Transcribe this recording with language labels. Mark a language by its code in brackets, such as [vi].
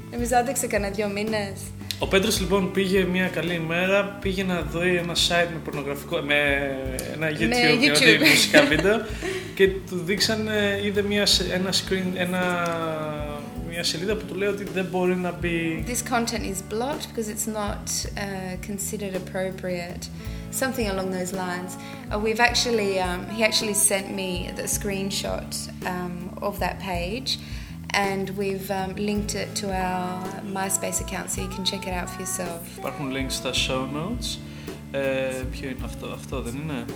[el] Νομίζω άντεξε κανένα δύο μήνες. Ο Πέτρος λοιπόν πήγε μια καλή ημέρα, πήγε να δει ένα site με πορνογραφικό, με ένα YouTube, με μουσικά βίντεο και του δείξανε, είδε μια σελίδα που του λέει ότι δεν μπορεί να μπει. [en] This content is blocked because it's not considered appropriate. Something along those lines. We've actually, he actually sent me the screenshot of that page and we've linked it to our MySpace account so you can check it out for yourself. [el] Υπάρχουν links στα show notes. Ποιο είναι αυτό, αυτό δεν είναι?